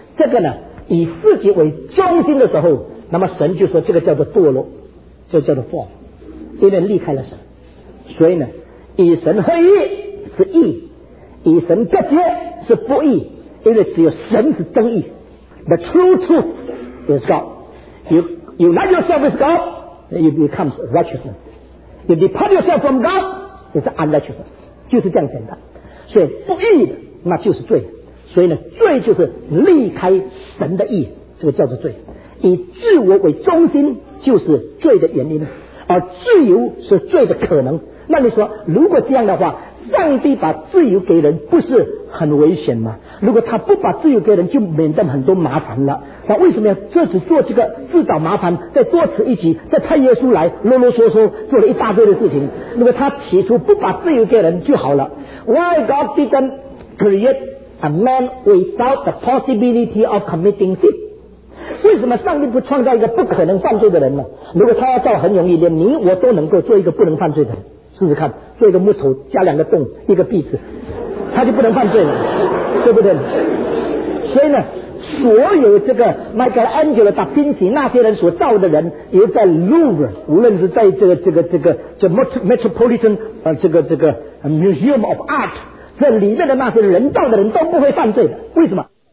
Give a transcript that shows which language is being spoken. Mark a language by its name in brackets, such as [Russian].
[Chinese] 这个呢以自己为中心的时候，那么神就说这个叫做堕落，这叫做 fall， 因为离开了神。所以呢以神合一是义，以神隔绝是不义，因为只有神是真义。 [English] The true truth is God. You unite yourself with God, it becomes righteousness. You depart yourself from God, it's unrighteousness. [Chinese] 就是这样简单。所以不义的那就是罪。所以呢，罪就是离开神的义，这个叫做罪。以自我为中心就是罪的原因，而自由是罪的可能。那你说，如果这样的话，上帝把自由给人不是很危险吗？如果他不把自由给人，就免得很多麻烦了。那为什么要这次做这个自找麻烦，再多此一举，再派耶稣来啰啰嗦嗦做了一大堆的事情？如果他起初不把自由给人就好了。 [English] Why God didn't create a man without the possibility of committing sin？ [Chinese] 为什么上帝不创造一个不可能犯罪的人呢？如果他要造很容易，连你我都能够做一个不能犯罪的人，试试看，做一个木头加两个洞一个壁纸，他就不能犯罪了，对不对？所以呢，所有这个 Michelangelo 达芬奇那些人所造的人，也在 Louvre， 无论是在这 Metropolitan 这个 Museum of Art， 这里面的那些人造的人都不会犯罪的。为什么？